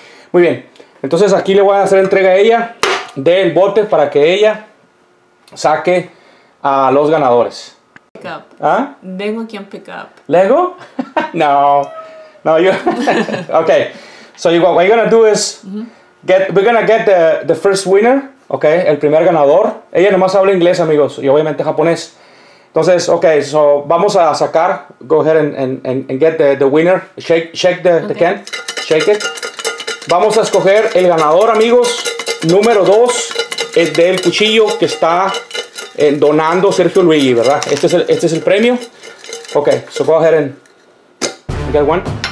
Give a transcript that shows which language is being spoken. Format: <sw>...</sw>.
<es>Muy bien, entonces aquí le voy a hacer entrega a ella del bote para que ella saque a los ganadores. ¿Ah? Vengo aquí a</es> <en>pick up.</en> <es>¿Lego? No, no, yo. Ok.</es> <en>So you, what you're gonna do is get, we're gonna get the first winner, okay,</en> <es>el primer ganador. Ella nomás habla inglés, amigos, y obviamente japonés.</es> <en>Entonces, okay, so</en> <es>vamos a sacar,</es> <en>go ahead and get the winner, shake the, okay. The can, shake it.</en> <es>Vamos a escoger el ganador, amigos, número 2, el del cuchillo que está donando Sergio Luigi, ¿verdad? Este es el premio.</es> <en>Okay, so go ahead and get one.</en>